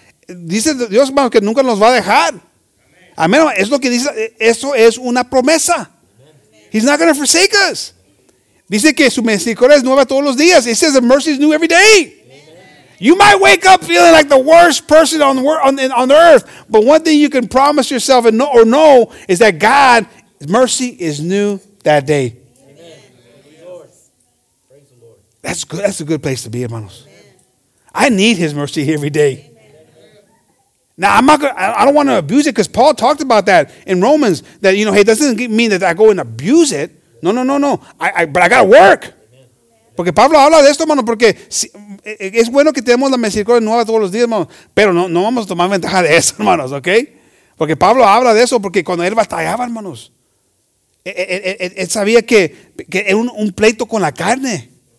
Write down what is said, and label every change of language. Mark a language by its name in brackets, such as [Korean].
[Spanish] Dice Dios, hermanos, que nunca nos va a dejar. Amén. Es lo que dice. Eso es una promesa. [English] He's not going to forsake us. [Spanish] Dice que su misericordia es nueva todos los días. [English] He says the mercy is new every day. Amen. You might wake up feeling like the worst person on earth, but one thing you can promise yourself and know is that God's mercy is new that day. Amen. That's good. That's a good place to be, hermanos. Amen. I need his mercy every day. Now, I don't want to abuse it, because Paul talked about that in Romans, that, you know, hey, it doesn't mean that I go and abuse it. Yeah. No, no, no, no. But I got to work. [Spanish] Porque Pablo habla de esto, hermano, porque si, es bueno que tenemos la misericordia nueva todos los días, hermano, pero no, no vamos a tomar ventaja de eso, hermanos, ¿ok? Porque Pablo habla de eso, porque cuando él batallaba, hermanos, él sabía que era un pleito con la carne.